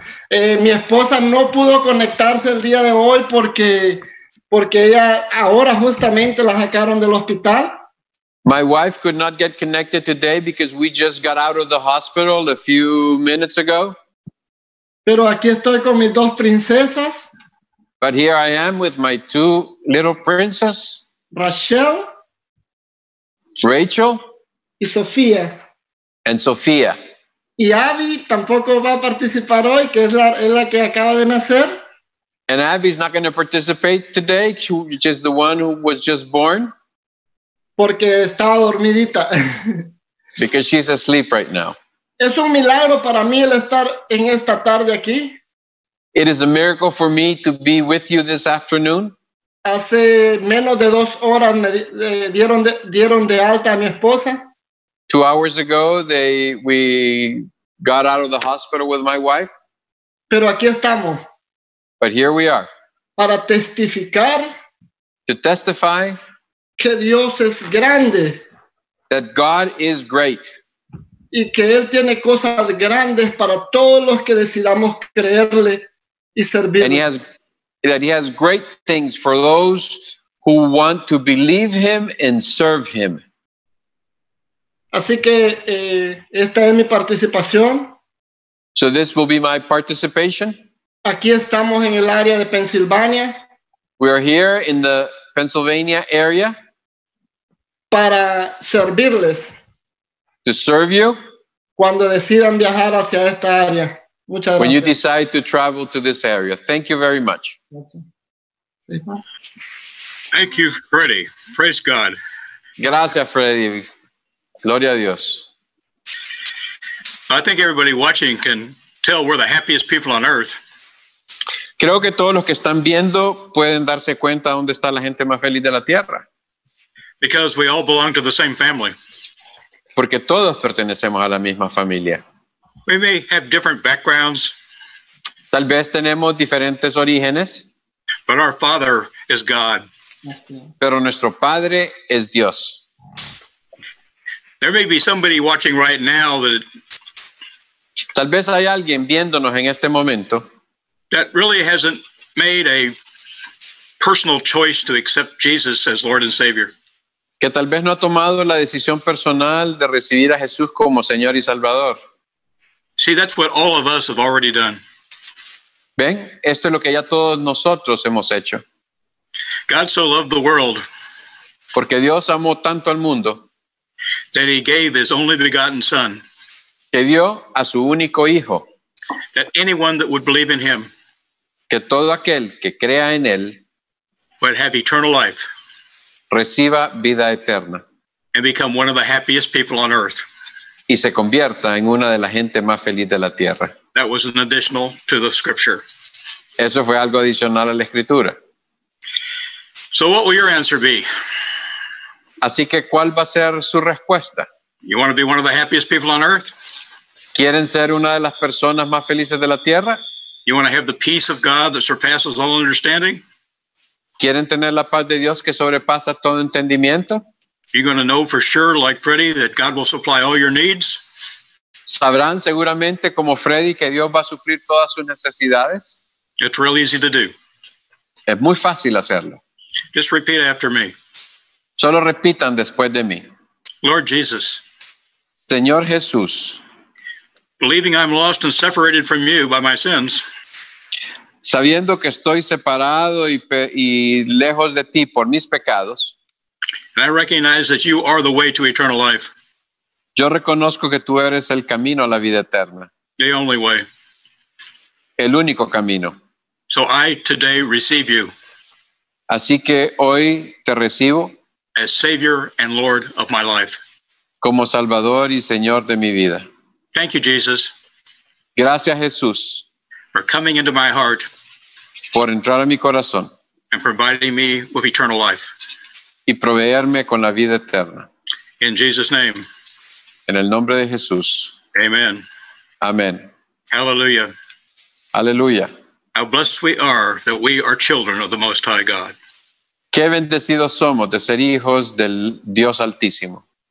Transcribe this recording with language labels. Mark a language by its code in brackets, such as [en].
[es] Mi esposa no pudo conectarse el día de hoy porque ella ahora justamente la sacaron del hospital. [en] My wife could not get connected today because we just got out of the hospital a few minutes ago. [es] Pero aquí estoy con mis dos princesas. [en] But here I am with my two little princesses. [es] Rachel. Y Sofía. [en] And Sofía. [es] Y Abby tampoco va a participar hoy, que es la que acaba de nacer. [en] And Abby's not going to participate today, which is the one who was just born. [es] Porque estaba dormidita. [en] Because she's asleep right now. [es] Es un milagro para mí el estar en esta tarde aquí. [en] It is a miracle for me to be with you this afternoon. [es] Hace menos de dos horas me dieron de alta a mi esposa. [en] 2 hours ago, we got out of the hospital with my wife. [es] Pero aquí estamos. [en] But here we are. [es] Para testificar. [en] To testify. [es] Que Dios es grande. [en] That God is great. [es] Y que Él tiene cosas grandes para todos los que decidamos creerle y servirle. [en] And he has great things for those who want to believe Him and serve Him. [es] Así que esta es mi participación. [en] So this will be my participation. [es] Aquí estamos en el área de Pensilvania. [en] We are here in the Pennsylvania area. [es] Para servirles. [en] To serve you. [es] Cuando decidan viajar hacia esta área. Muchas gracias. [en] When you decide to travel to this area. Thank you very much. Thank you, Freddy. Praise God. [es] Gracias, Freddy. Gloria a Dios. [en] I think everybody watching can tell we're the happiest people on earth. [es] Creo que todos los que están viendo pueden darse cuenta dónde está la gente más feliz de la tierra. [en] Because we all belong to the same family. [es] Porque todos pertenecemos a la misma familia. [en] We may have different backgrounds. [es] Tal vez tenemos diferentes orígenes. [en] But our Father is God. [es] Pero nuestro Padre es Dios. [en] There may be somebody watching right now that. [es] Tal vez hay alguien viéndonos en este momento. [en] That really hasn't made a personal choice to accept Jesus as Lord and Savior. [es] Que tal vez no ha tomado la decisión personal de recibir a Jesús como Señor y Salvador. [en] See, that's what all of us have already done. [es] ¿Ven? Esto es lo que ya todos nosotros hemos hecho. [en] God so loved the world. [es] Porque Dios amó tanto al mundo. [en] That he gave his only begotten son. [es] Que dio a su único hijo. [en] That anyone that would believe in him. [es] Que todo aquel que crea en él. [en] Would have eternal life. [es] Reciba vida eterna. [en] And become one of the happiest people on earth. [es] Y se convierta en una de la gente más feliz de la tierra. [en] That was an additional to the scripture. [es] Eso fue algo adicional a la escritura. [en] So what will your answer be? [es] Así que, ¿cuál va a ser su respuesta? [en] You want to be one of the happiest people on earth? [es] ¿Quieren ser una de las personas más felices de la tierra? [en] You want to have the peace of God that surpasses all understanding? [es] ¿Quieren tener la paz de Dios que sobrepasa todo entendimiento? [en] You're going to know for sure, like Freddy, that God will supply all your needs? [es] ¿Sabrán seguramente, como Freddy, que Dios va a suplir todas sus necesidades? [en] It's real easy to do. [es] Es muy fácil hacerlo. [en] Just repeat after me. [es] Solo repitan después de mí. [en] Lord Jesus. [es] Señor Jesús. [en] Believing I'm lost and separated from you by my sins. [es] Sabiendo que estoy separado y lejos de ti por mis pecados. [en] And I recognize that you are the way to eternal life. [es] Yo reconozco que tú eres el camino a la vida eterna. [en] The only way. [es] El único camino. [en] So I today receive you. [es] Así que hoy te recibo. [en] As Savior and Lord of my life. [es] Como Salvador y Señor de mi vida. [en] Thank you, Jesus. [es] Gracias, Jesús. [en] For coming into my heart. [es] Por entrar a mi corazón. [en] And providing me with eternal life. [es] Y proveerme con la vida eterna. [en] In Jesus' name. [es] En el nombre de Jesús. [en] Amen. [es] Amen. [en] Hallelujah. [es] Aleluya. [en] How blessed we are that we are children of the Most High God. [es] Qué bendecidos somos de ser hijos del Dios Altísimo.